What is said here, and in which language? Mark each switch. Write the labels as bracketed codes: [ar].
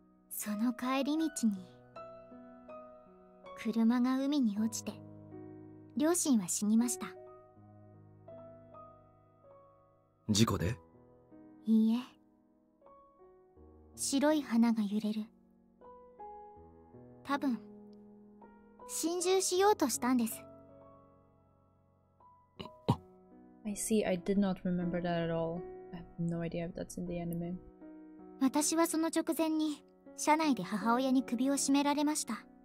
[ja] その帰り道に車が海に落ちて、両親は死にました。事故で？いいえ、白い花が揺れる。多分心中しようとしたんです。 [en] I see, I did not remember that at all. I have no idea if that's in the anime. [ja] 私はその直前に車内で母親に首を絞められました。